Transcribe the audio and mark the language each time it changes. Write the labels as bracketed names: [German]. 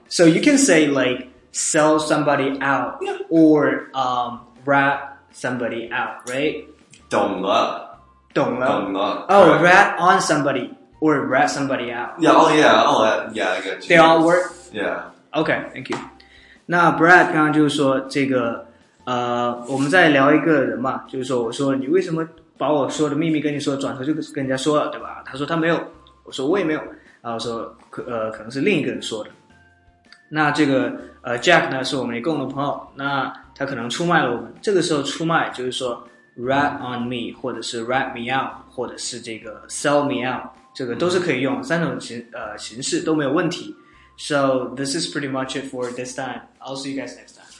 [English] So you can say, like, sell somebody out or rat somebody out, right? [Chinese] 懂了。懂了。懂了。 [English] Oh, rat on somebody or rat somebody out. Yeah, oh, yeah, oh, yeah, I got you. They all work? Yeah. Okay, thank you. [Chinese] 那 Brad 刚刚就是说这个我们在聊一个人嘛，就是说我说你为什么把我说的秘密跟你说，转头就跟人家说了，对吧？他说他没有，我说我也没有，然后说可能是另一个人说的。那这个Jack 呢是我们的共同朋友，那他可能出卖了我们。这个时候出卖就是说 [English] rat on me [Chinese] 或者是 [English] rat me out [Chinese] 或者是这个 [English] sell me out， [Chinese] 这个都是可以用，三种形式都没有问题。 [English] So this is pretty much it for this time. I'll see you guys next time.